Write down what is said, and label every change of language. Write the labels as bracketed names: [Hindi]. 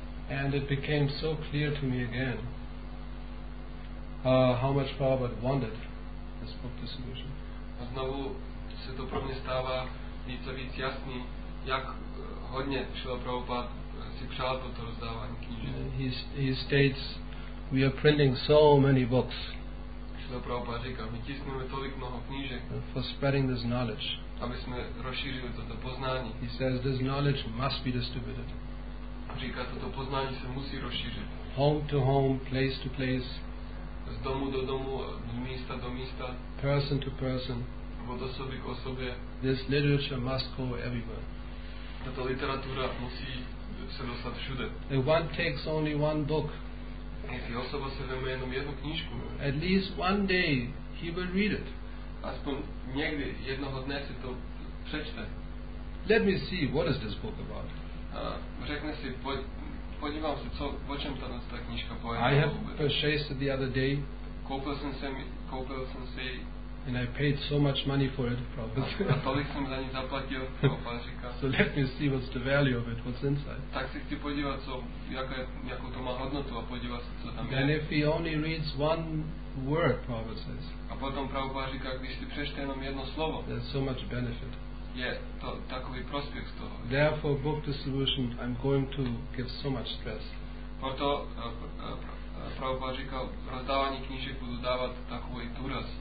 [English] And it became so clear to me again how much Prabhupada wanted this book distribution. [Czech] A znovu se to pro mě stává víc a víc jasný, jak hodně Srila Prabhupada si přál toto rozdávání knížek. [English] He states, we are printing so many books. [Czech] Srila Prabhupada říká, my tisknujeme tolik mnoho knížek. [English] For spreading this knowledge. [Czech] Aby jsme rozšířili toto poznání. [English] He says this knowledge must be distributed. [Czech] Říká, toto poznání se musí rozšířit. [English] Home to home, place to place. [Czech] Z domu do domu, z místa do místa. [English] Person to person. [Czech] Od osoby k osobě. [English] This literature must go everywhere. [Czech] Tato literatura musí se dostat všude. [English] If one takes only one book, [Czech] jestli osoba se vezme jenom jednu knížku, [English] at least one day he will read it. [Czech] Aspoň někdy, jednoho dne si to přečte. [English] Let me see, what is this book about? [Czech] Řekne si, podívám se, co, o čem ta knížka pojede. [English] I have purchased it the other day. [Czech] Koupil jsem si. [English] And I paid so much money for it, probably. [Czech] A tolik jsem za ní zaplatil, opářika. [English] So let me see what's the value of it, what's inside. [Czech] Tak si chci podívat, co, jakou to má hodnotu a podívat se, co tam je. [English] And if he only reads one word, Prabhupada says. [Czech] A potom Prabhupada říká, když si přečte jenom jedno slovo. [English] There's so much benefit. [Czech] Je to takový prospěch z toho. [English] Therefore, book distribution, I'm going to give so much stress. [Czech] Proto Prabhupada říká, rozdávání knížek budu dávat takový důraz.